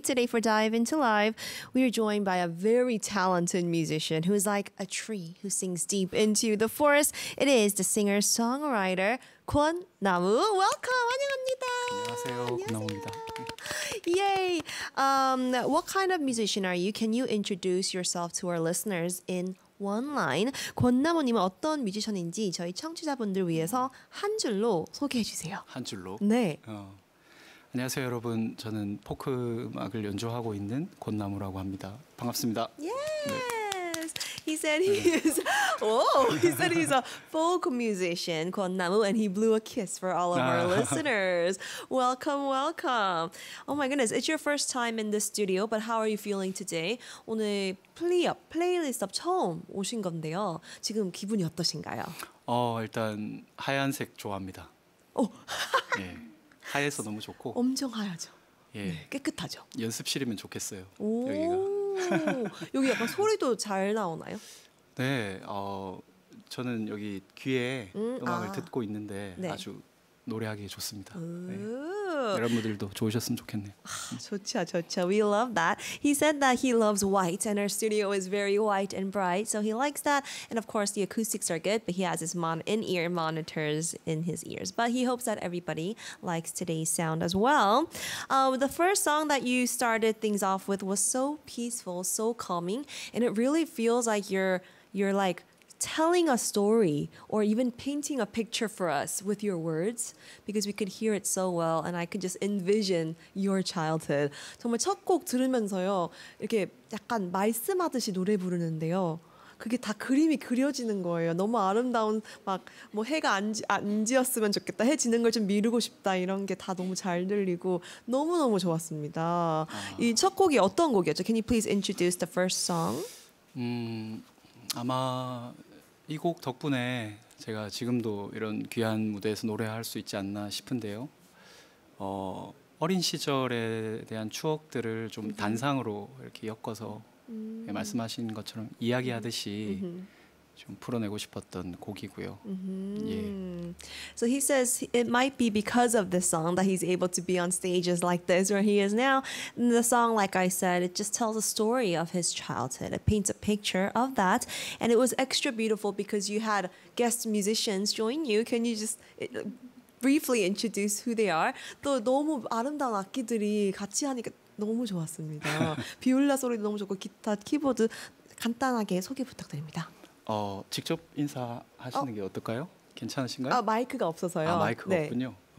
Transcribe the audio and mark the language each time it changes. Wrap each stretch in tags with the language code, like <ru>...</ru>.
<en>Today for Dive Into Live, we are joined by a very talented musician who is like a tree who sings deep into the forest. It is the singer-songwriter, 권나무. Welcome!</en> <ko>안녕합니다. 안녕하세요. 나무입니다.</ko> <en>Yay! What kind of musician are you? Can you introduce yourself to our listeners in One line.</en> <ko>권나무님은 어떤 뮤지션인지 저희 청취자분들 위해서 한 줄로 소개해 주세요. 한 줄로? 네. 안녕하세요, 여러분. 저는 포크 음악을 연주하고 있는 권나무라고 합니다. 반갑습니다.</ko> <en>Yes.</en> <ko>네.</ko> <en>He said he is. Oh, he said he's a folk musician, 권나무, and he blew a kiss for all of our listeners. Welcome, welcome. Oh my goodness, it's your first time in the studio, but how are you feeling today?</en> <ko>오늘 플레이리스트 처음 오신 건데요. 지금 기분이 어떠신가요? 일단 하얀색 좋아합니다. 오! 예, 하얘서 너무 좋고. 엄청 하얗죠? 예. 네, 깨끗하죠? 연습실이면 좋겠어요. 오, 여기가. 여기 약간 소리도 잘 나오나요? 네. 저는 여기 귀에 음악을 듣고 있는데 네. 아주 노래하기 좋습니다. 네. 여러분들도 좋으셨으면 좋겠네요. 좋죠, 좋죠.</ko> <en>We love that. He said that he loves white and our studio is very white and bright. So he likes that. And of course, the acoustics are good, but he has his in-ear monitors in his ears. But he hopes that everybody likes today's sound as well. The first song that you started things off with was so peaceful, so calming. And it really feels like you're like telling a story or even painting a picture for us with your words because we could hear it so well and I could just envision your childhood.</en> <ko>정말 첫 곡 들으면서요. 이렇게 약간 말씀하듯이 노래 부르는데요. 그게 다 그림이 그려지는 거예요. 너무 아름다운 막 뭐 해가 안 지었으면 좋겠다. 해 지는 걸 좀 미루고 싶다. 이런 게 다 너무 잘 들리고 너무너무 좋았습니다. 이 첫 곡이 어떤 곡이었죠?</ko> <en>Can you please introduce the first song?</en> <ko>아마 이 곡 덕분에 제가 지금도 이런 귀한 무대에서 노래할 수 있지 않나 싶은데요. 어린 시절에 대한 추억들을 좀 단상으로 이렇게 엮어서 말씀하신 것처럼 이야기하듯이 좀 풀어내고 싶었던 곡이고요.</ko> <en>So he says it might be because of this song that he's able to be on stages like this where he is now. And the song, like I said, it just tells a story of his childhood. It paints a picture of that. And it was extra beautiful because you had guest musicians join you. Can you just... briefly introduce who they are.</en> <ko>또 너무 아름다운 악기들이 같이 하니까 너무 좋았습니다. 비올라 소리도 너무 좋고 기타, 키보드 간단하게 소개 부탁드립니다. 직접 인사하시는 게 어떨까요? 괜찮으신가요? 마이크가 없어서요. 마이크가 네. 없군요.</ko>